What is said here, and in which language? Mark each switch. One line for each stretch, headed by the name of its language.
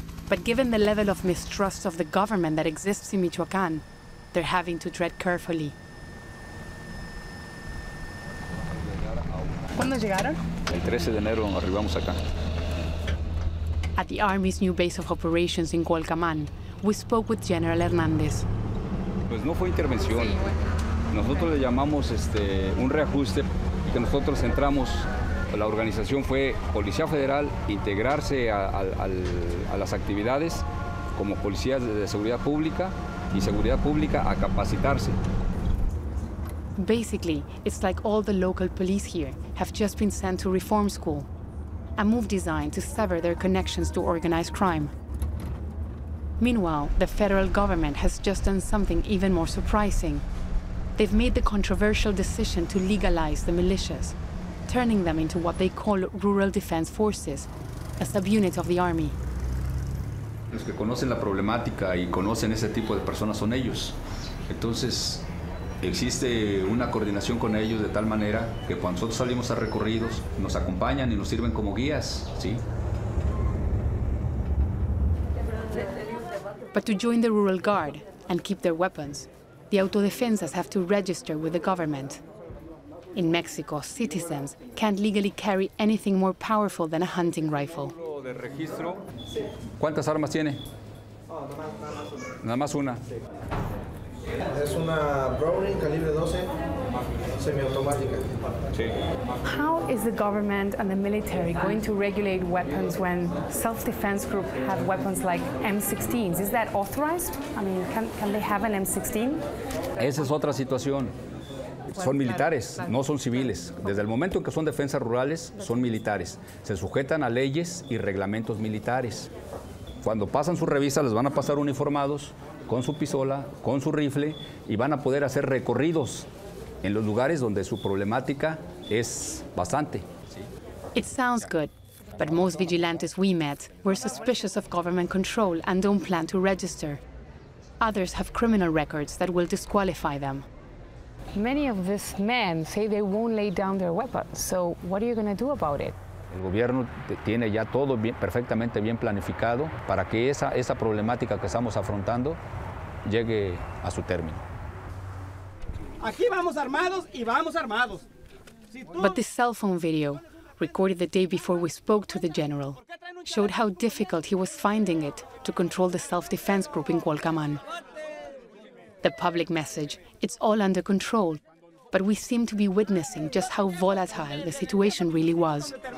English: But given the level of mistrust of the government that exists in Michoacán, they're having to tread carefully.
Spanish: ¿Cuándo llegaron? El 13 de enero arribamos acá.
English: At the Army's new base of operations in Cualcamán, we spoke with General Hernández.
Spanish: Pues no fue intervención. Nosotros le llamamos un reajuste, que nosotros entramos, la organización fue Policía Federal, integrarse a las actividades como policías de seguridad pública y seguridad pública a capacitarse.
English: Basically, it's like all the local police here have just been sent to reform school, a move designed to sever their connections to organized crime. Meanwhile, the federal government has just done something even more surprising. They've made the controversial decision to legalize the militias, turning them into what they call rural defense forces, a subunit of the army.
Spanish: Los que conocen la problemática y conocen ese tipo de personas son ellos. Entonces, existe una coordinación con ellos de tal manera que cuando nosotros salimos a recorridos, nos acompañan y nos sirven como guías, ¿sí?
English: But to join the rural guard and keep their weapons, the autodefensas have to register with the government. In Mexico, citizens can't legally carry anything more powerful than a hunting rifle.
Spanish: De registro. ¿Cuántas armas tiene? Nada más una. Es una Browning calibre 12, semiautomática.
English: How is the government and the military going to regulate weapons when self-defense groups have weapons like M16s? Is that authorized? I mean, can they have an M16?
Spanish: Esa es otra situación. Son militares, no son civiles. Desde el momento en que son defensas rurales, son militares. Se sujetan a leyes y reglamentos militares. Cuando pasan su revista, les van a pasar uniformados con su pistola, con su rifle, y van a poder hacer recorridos en los lugares donde su problemática es bastante.
English: It sounds good, but most vigilantes we met were suspicious of government control and don't plan to register. Others have criminal records that will disqualify them. Many of these men say they won't lay down their weapons. So what are you going to do about it?
Spanish: El gobierno tiene ya todo bien, perfectamente bien planificado para que esa problemática que estamos afrontando llegue a su término. Aquí vamos armados y vamos armados.
English: But this cell phone video, recorded the day before we spoke to the general, showed how difficult he was finding it to control the self-defense group in Cualcamán. The public message, it's all under control, but we seem to be witnessing just how volatile the situation really was.